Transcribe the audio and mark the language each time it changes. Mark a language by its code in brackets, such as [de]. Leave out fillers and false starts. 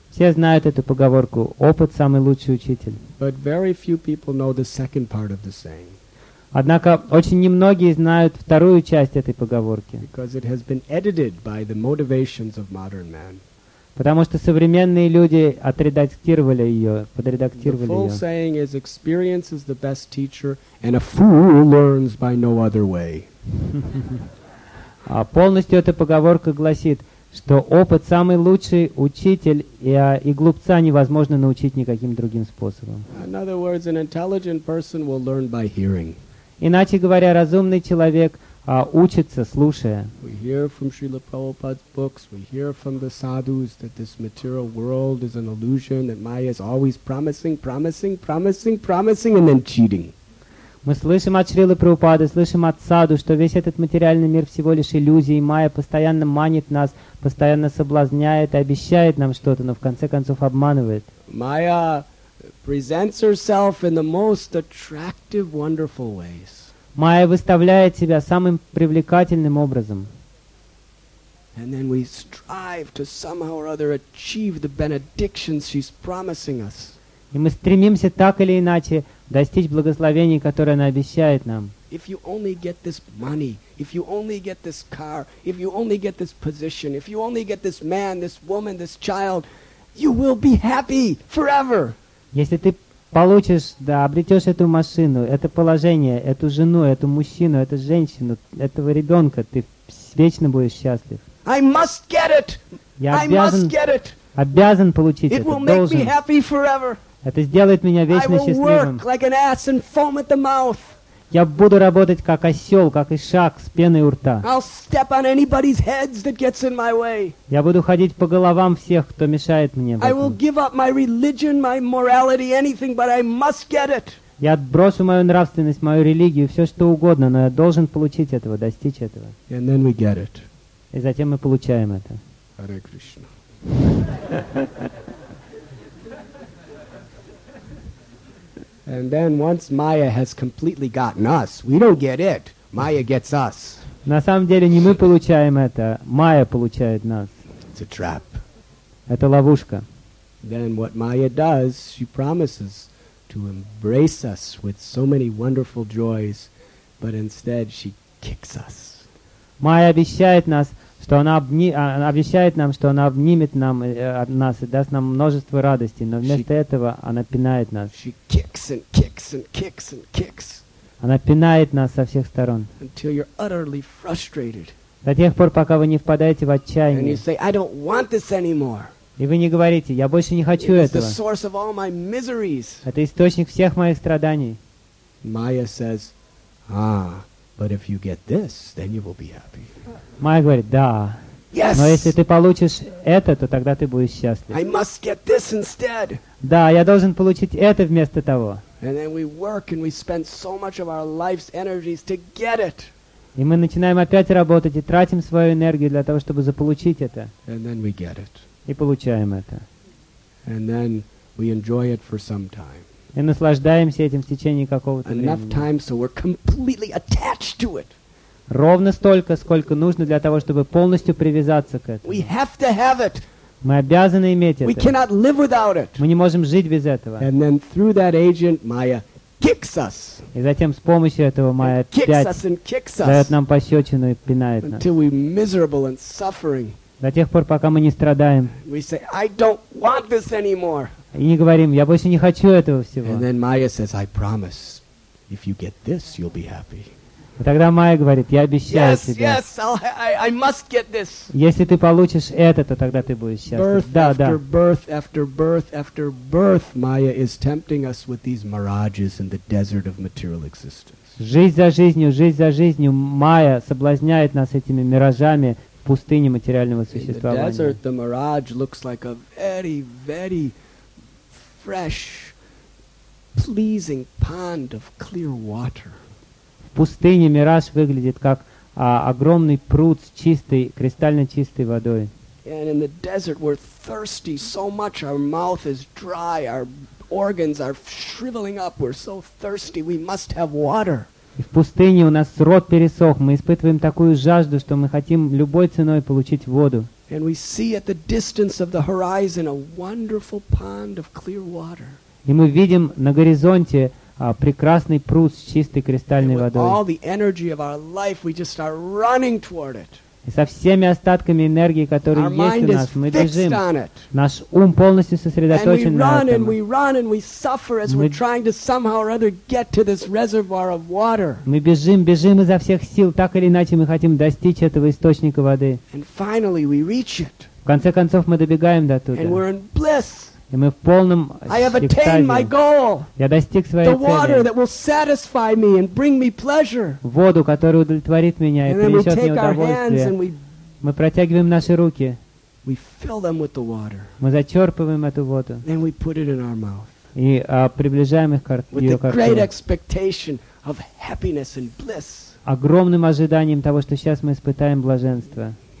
[ru] Все знают эту поговорку. Опыт — самый лучший учитель. [en] But very few people know the second part of the saying. [ru] Однако очень немногие знают вторую часть этой поговорки. [en] Because it has been edited by the motivations of modern man. [ru] Потому что современные люди отредактировали ее, подредактировали ее. [en] The full saying is experience is the best teacher and a fool learns by no other way. [ru] Полностью эта поговорка гласит, что опыт — самый лучший учитель, и глупца невозможно научить никаким другим способом. [en] In other words, an intelligent person will learn by hearing. [ru] Иначе говоря, разумный человек учится, слушая. [en] We hear from Srila Prabhupada's books, we hear from the sadhus that this material world is an illusion, that Maya is always promising, and then cheating. [ru] Мы слышим от Шрилы Прабхупады, слышим от саду, что весь этот материальный мир всего лишь иллюзия, и майя постоянно манит нас, постоянно соблазняет и обещает нам что-то, но в конце концов обманывает. [en] Майя presents herself in the most attractive, wonderful ways. [ru] Майя выставляет себя самым привлекательным образом. [en] And then we strive to somehow or other achieve the benedictions she's promising us. [ru] И мы стремимся так или иначе достичь благословений, которые она обещает нам. [en] If you only get this money, if you only get this car, if you only get this position, if you only get this man, this woman, this child, you will be happy forever. [ru] Если ты получишь, да, обретешь эту машину, это положение, эту жену, эту мужчину, эту женщину, этого ребенка, ты вечно будешь счастлив. [en] I must get it. [ru] Я обязан, обязан получить [en] it [ru] это, [en] will [ru] должен. [en] Make me happy forever. [ru] Это сделает меня вечно счастливым. [en] Like an ass and foam at the mouth. [ru] Я буду работать как осел, как ишак, с пеной у рта. [en] I'll step on anybody's heads that gets in my way. [ru] Я буду ходить по головам всех, кто мешает мне в этом. [en] I will give up my religion, my morality, anything, but I must get it. [ru] Я отброшу мою нравственность, мою религию, все что угодно, но я должен получить этого, достичь этого. [en] And then we get it. [ru] И затем мы получаем это. [sa] Харе Кришна. [en] And then once Maya has completely gotten us, we don't get it. Maya gets us. [ru] На самом деле не мы получаем это, Maya получает нас. [en] It's a trap. [ru] Это ловушка. [en] Then what Maya does, she promises to embrace us with so many wonderful joys, but instead she kicks us. [ru] Maya обещает нас, что она обещает нам, что она обнимет нам, нас и даст нам множество радости, но вместо этого она пинает нас. [en] She kicks and kicks and kicks and kicks. [ru] Она пинает нас со всех сторон. [en] Until you're utterly frustrated. [ru] До тех пор, пока вы не впадаете в отчаяние. [en] And you say, I don't want this anymore. [ru] И вы не говорите, я больше не хочу [en] It's [ru] этого. [en] The source of all my miseries. [ru] Это источник всех моих страданий. [en] Maya says, ah, but if you get this, then you will be happy. [ru] Майя говорит, да, [en] Yes. [ru] Но если ты получишь это, то тогда ты будешь счастлив. [en] I must get this instead. [ru] Да, я должен получить это вместо того. [en] And then we work and we spend so much of our life's energies to get it. [ru] И мы начинаем опять работать и тратим свою энергию для того, чтобы заполучить это. [en] And then we get it. [ru] И получаем это. [en] And then we enjoy it for some time. [ru] И наслаждаемся этим в течение какого-то времени. [en] Enough time, so we're completely attached to it. [ru] Ровно столько, сколько нужно для того, чтобы полностью привязаться к этому. [en] We have to have it. [ru] Мы обязаны иметь это. [en] We cannot live without it. [ru] Мы не можем жить без этого. [en] And then through that agent, Maya kicks us. [ru] И затем с помощью этого Maya дает нам пощечину и пинает нас. [en] Until we're miserable and suffering. [ru] До тех пор, пока мы не страдаем. [en] We say, I don't want this anymore. [ru] И не говорим, я больше не хочу этого всего. [en] And then Maya says, I promise, if you get this, you'll be happy. [ru] И тогда Майя говорит, я обещаю [en] yes, [ru] тебе. [en] Yes, I must get this. [ru] Если ты получишь это, то тогда ты будешь счастлив. [en] Birth [ru] да, [en] after [ru] да. [en] birth after birth after birth, Maya is tempting us with these mirages in the desert of material existence. [ru] Жизнь за жизнью, Майя соблазняет нас этими миражами в пустыне материального существования. [en] In the desert, the mirage looks like a very, very fresh, pleasing pond of clear water. [ru] В пустыне мираж выглядит как огромный пруд с чистой, кристально чистой водой. [en] And in the desert we're thirsty so much, our mouth is dry, our organs are shriveling up, we're so thirsty, we must have water. [ru] И в пустыне у нас рот пересох, мы испытываем такую жажду, что мы хотим любой ценой получить воду. [en] And we see at the distance of the horizon a wonderful pond of clear water. [ru] И мы видим на горизонте прекрасный пруд с чистой кристальной водой. [en] All the energy of our life, we just are running toward it. [ru] И со всеми остатками энергии, которые [en] our [ru] есть [en] mind [ru] у нас, мы бежим. [en] Fixed on it. [ru] Наш ум полностью сосредоточен [en] and we run [ru] на этом. [en] And we run and we suffer as we're trying to somehow or other get to this reservoir of water. [ru] Мы бежим изо всех сил, так или иначе мы хотим достичь этого источника воды. [en] And finally we reach it. [ru] В конце концов мы добегаем до туда. [en] And we're in bliss. [ru] И мы в полном [en] I have attained my goal. [ru] Я достиг своей цели. [en] The water that will satisfy me and bring me pleasure. [ru] Воду, которая удовлетворит меня и принесет мне удовольствие. Мы протягиваем наши руки. [en] We fill them with the water. [ru] Мы зачерпываем эту воду. [en] And we put it in our mouth. [ru] И приближаем их к рту. [en] With the great expectation of happiness and bliss. [ru] Огромным ожиданием того, что сейчас мы испытаем блаженство.